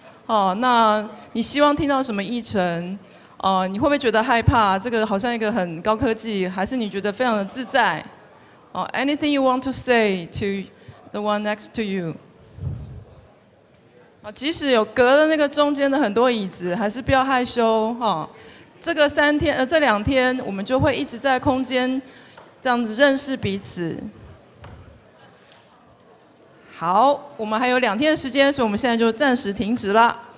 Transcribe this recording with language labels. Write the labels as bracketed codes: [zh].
[zh] 哦，那你希望听到什么议程？哦，你会不会觉得害怕？这个好像一个很高科技，还是你觉得非常的自在？ [en] 哦 ，anything you want to say to the one next to you？ [zh] 啊，即使有隔了那个中间的很多椅子，还是不要害羞哈。这个三天这两天，我们就会一直在空间这样子认识彼此。好，我们还有两天的时间，所以我们现在就暂时停止了。